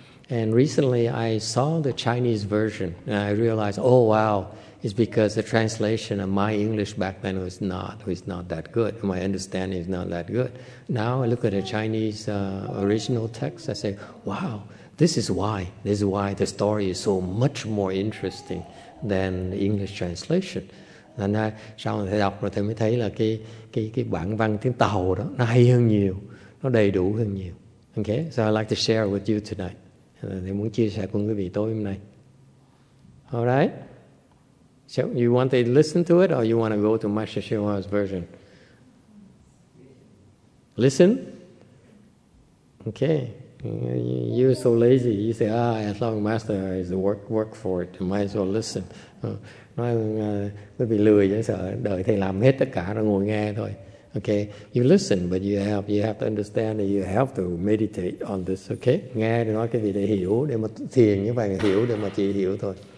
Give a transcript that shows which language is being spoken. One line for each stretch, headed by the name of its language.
English: And recently I saw the Chinese version and I realized, oh wow, it's because the translation of my English back then was not that good. My understanding is not that good. Now I look at a Chinese original text, I say, wow, this is why the story is so much more interesting than the English translation.
Vietnamese: Nên sau này đọc rồi thì mới thấy là cái bản văn tiếng Tàu đó nó hay hơn nhiều, nó đầy đủ hơn nhiều.
English: Okay, so I'd like to share with you tonight.
Vietnamese: Thì muốn chia sẻ cùng quý vị tối hôm nay.
English: All right. So you want to listen to it or you want to go to Master Shihua's version? Listen. Okay. You're so lazy. You say, as long as Master is work for it, you might as well listen.
Vietnamese: Nói quý vị lười chứ sợ đợi thầy làm hết tất cả rồi ngồi nghe thôi.
English: Okay, you listen, but you have to understand that you have to meditate on this.
Vietnamese: Okay, nghe để nói cái gì để hiểu, để mà thiền như vậy hiểu, để mà chỉ hiểu thôi.